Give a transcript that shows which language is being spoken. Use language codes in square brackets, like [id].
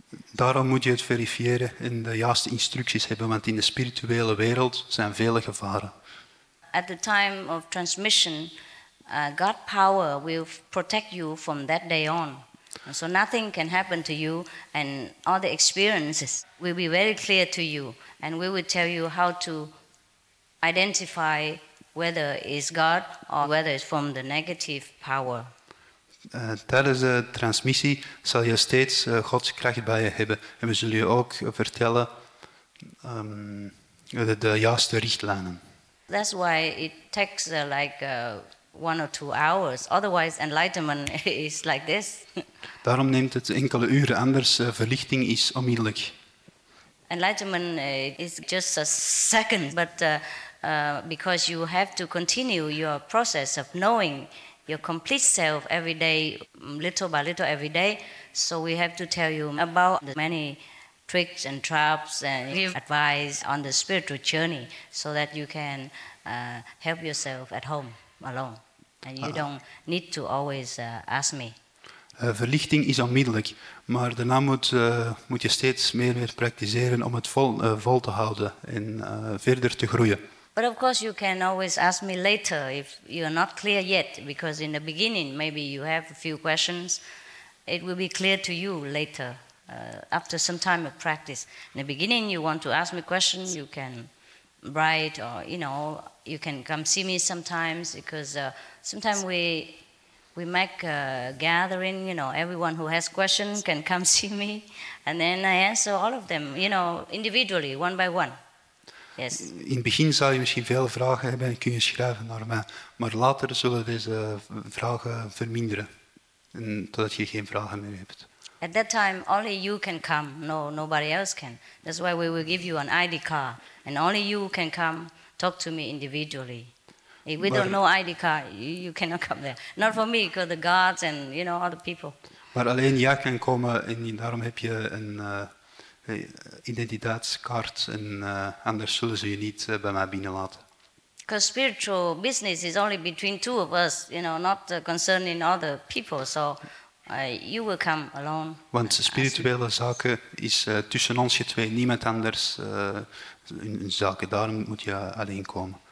[nl] Daarom moet je het verifiëren en de juiste instructies hebben, want in de spirituele wereld zijn vele gevaren. [en] At the time of transmission, God power will protect you from that day on. So nothing can happen to you and all the experiences will be very clear to you and we will tell you how to identify whether it's God or whether it's from the negative power. [nl] Tijdens de transmissie zal je steeds Gods kracht bij je hebben en we zullen je ook vertellen de juiste richtlijnen. [en] That's why it takes one or two hours. Otherwise, enlightenment is like this. [nl] Daarom neemt het enkele uren, anders verlichting is onmiddellijk. [en] Enlightenment is just a second, but because you have to continue your process of knowing your complete self every day, little by little every day, so we have to tell you about the many tricks and traps and give advice on the spiritual journey so that you can help yourself at home alone. And you don't need to always ask me. [nl] Verlichting is onmiddellijk, maar daarna moet je steeds meer en meer praktiseren om het vol te houden en verder te groeien. [en] But of course you can always ask me later if you are not clear yet, because in the beginning maybe you have a few questions. It will be clear to you later, after some time of practice. In the beginning you want to ask me questions, you can write or, you know, you can come see me sometimes, because sometimes we make a gathering, you know, everyone who has questions can come see me and then I answer all of them, you know, individually, one by one. Yes. [nl] In het begin zal je misschien veel vragen hebben en kun je schrijven naar mij, maar later zullen deze vragen verminderen en totdat je geen vragen meer hebt. [en] At that time, only you can come. No, nobody else can. That's why we will give you an ID card. And only you can come, talk to me individually. If we don't know ID card, you cannot come there. Not for me, because the guards and, you know, other people. [nl] Maar alleen jij kan komen en daarom heb je een identiteitskaart. En anders zullen ze je niet bij mij binnenlaten. [en] Because spiritual business is only between two of us, you know, not concerning other people, so... you will come alone. [nl] Want spirituele zaken is tussen ons je twee, niemand anders in zaken. Daarom moet je alleen komen.